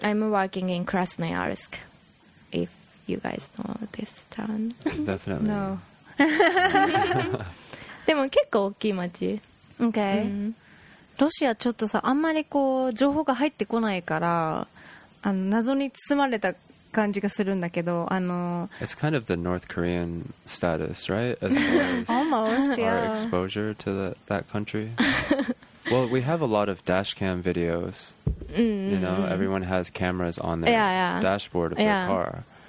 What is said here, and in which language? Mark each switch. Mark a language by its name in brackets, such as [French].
[English] I'm working in Krasnoyarsk If you guys know this town Definitely No [Japanese] でも結構大きい町 OK、うんロシアちょっとさあんまりこう情報が入ってこないから謎に包まれた感じがするんだけど [English] It's kind of the North Korean status, right? As far as Almost, our exposure to that country Well, we have a lot of dashcam videos You know, everyone has cameras on their dashboard of their car